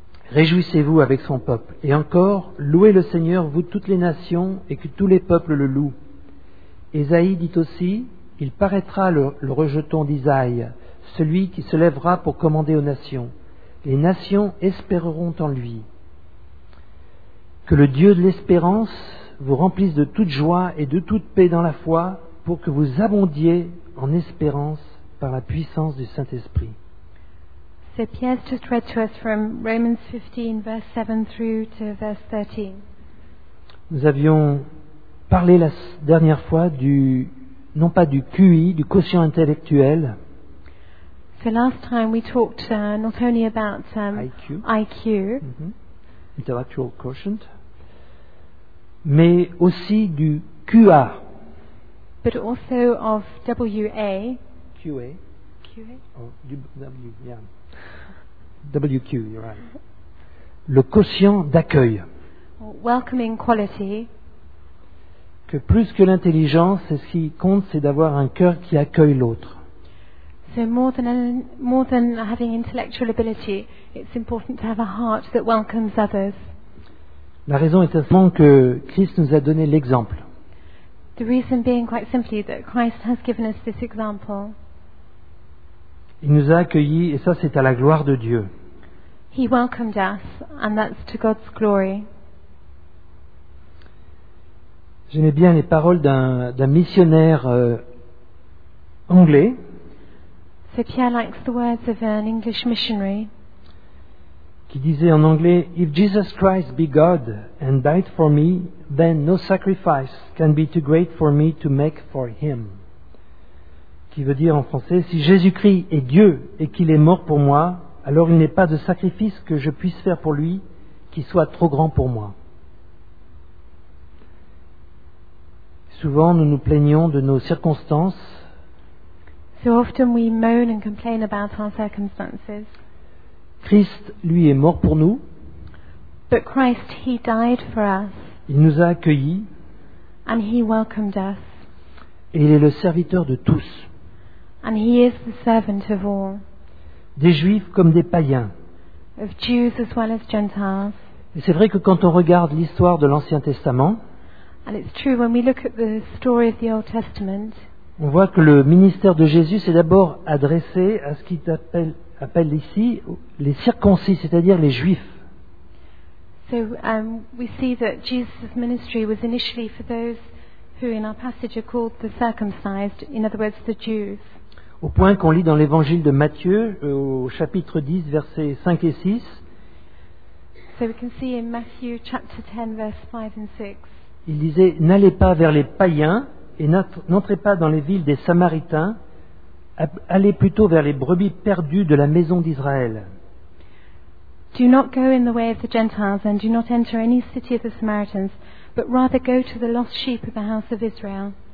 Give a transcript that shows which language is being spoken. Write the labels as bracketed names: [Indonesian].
[French] réjouissez-vous avec son peuple. » Et encore « Louez le Seigneur, vous toutes les nations, et que tous les peuples le louent. » Ésaïe dit aussi « Il paraîtra le rejeton d'Isaïe, celui qui se lèvera pour commander aux nations. Les nations espéreront en lui. » Que le Dieu de l'espérance vous remplisse de toute joie et de toute paix dans la foi pour que vous abondiez en espérance par la puissance du Saint-Esprit. [English] So Pierre has just read to us from Romans 15, verse 7 through to verse 13. [French] Nous avions parlé la dernière fois du, non pas du QI, du quotient intellectuel. [English] So last time we talked not only about IQ. Intellectual quotient, [French] mais aussi du QA. [English] But also of WA. [French] QA. QA. [English] Oh, W, yeah. WQ, you're right. [French] Le quotient d'accueil. [English] Welcoming quality. [French] Que plus que l'intelligence, ce qui compte, c'est d'avoir un cœur qui accueille l'autre. [English] So more than having intellectual ability, it's important to have a heart that welcomes others. [French] La raison est simplement que Christ nous a donné l'exemple. [English] The reason being quite simply that Christ has given us this example. [French] Il nous a accueillis et ça c'est à la gloire de Dieu. [English] He welcomed us and that's to God's glory. [French] J'aimais bien les paroles d'un missionnaire anglais. [English] So Pierre likes the words of an English missionary. [French] Qui disait en anglais, [English] If Jesus Christ be God and died for me, then no sacrifice can be too great for me to make for him. [French] Qui veut dire en français, si Jésus-Christ est Dieu et qu'il est mort pour moi, alors il n'est pas de sacrifice que je puisse faire pour lui qui soit trop grand pour moi. Souvent, nous nous plaignons de nos circonstances. [English] So often we moan and complain about our circumstances. [French] Christ, lui, est mort pour nous. [English] But Christ, he died for us. [French] Il nous a accueillis. [English] And he welcomed us. [French] Et il est le serviteur de tous. [English] And he is the servant of all. [French] Des juifs comme des païens. [English] Of Jews as well as Gentiles. [French] Et c'est vrai que quand on regarde l'histoire de l'Ancien Testament, [English] and it's true when we look at the story of the Old Testament, [French] on voit que le ministère de Jésus s'est d'abord adressé à ce qu'il appelle ici les circoncis, c'est-à-dire les juifs. [English] So we see that Jesus' ministry was initially for those who in our passage are called the circumcised, in other words the Jews. [French] Au point qu'on lit dans l'évangile de Matthieu au chapitre 10 versets 5 et 6. [English] So we can see in Matthew chapter 10 verse 5 and 6. [French] Il disait n'allez pas vers les païens. Et n'entrez pas dans les villes des Samaritains, allez plutôt vers les brebis perdues de la maison d'Israël. [English] Do not go in the way of the Gentiles and do not enter any city of the Samaritans, but rather go to the lost sheep of the house of Israel.